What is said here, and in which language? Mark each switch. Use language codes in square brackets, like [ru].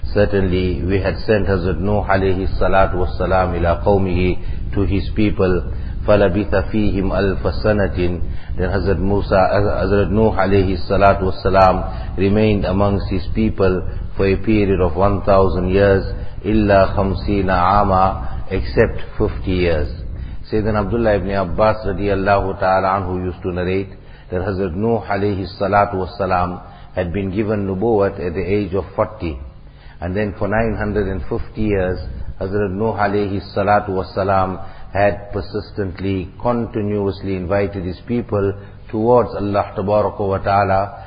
[en] Certainly, we had sent Hazrat Nuh alayhi salatu was salam [ar] ila qawmihi, [en] to his people. [ar] فَلَبِثَ فِيهِمْ أَلْفَ سَنَةٍ. [en] Then Hazrat Nuh alayhi salatu was salam remained amongst his people for a period of 1,000 years. [ar] إِلَّا خَمْسِينَ عَامًا, [en] except 50 years. Sayyidina Abdullah ibn Abbas radiallahu ta'ala anhu used to narrate that Hazrat Nuh alayhi salatu was salam had been given nubuwat at the age of 40. And then for 950 years, Hazrat Nuh alayhi salatu was salam had persistently, continuously invited his people towards Allah tabaraka wa ta'ala.